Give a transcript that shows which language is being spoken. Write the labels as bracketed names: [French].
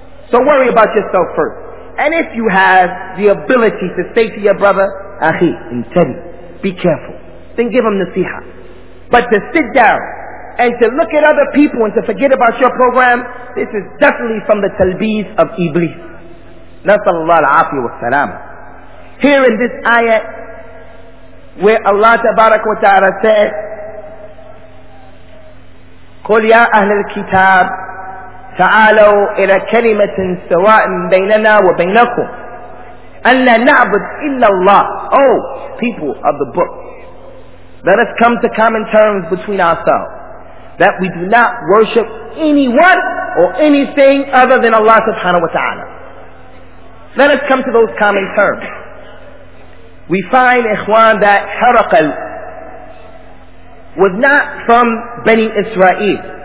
[English] So worry about yourself first. And if you have the ability to say to your brother, [Arabic] أخي, انتبه, [English] be careful, then give him nasiha. But to sit down and to look at other people and to forget about your program, this is definitely from the talbiz of Iblis. [Arabic] نسأل الله العافية والسلام. [English] Here in this ayat, where Allah [Arabic] تبارك وتعالى [English] said, [Arabic] قُلْ يَا أَهْلَ الْكِتَابِ تَعَالَوْا إِلَى كَلِمَةٍ سَوَاءٍ بَيْنَنَا وَبَيْنَكُمْ أَلَّا نَعْبُدْ إِلَّا اللَّهِ. [English] Oh, people of the book, let us come to common terms between ourselves that we do not worship anyone or anything other than Allah subhanahu wa ta'ala. Let us come to those common terms. We find, Ikhwan, that Harqal was not from Bani Israel.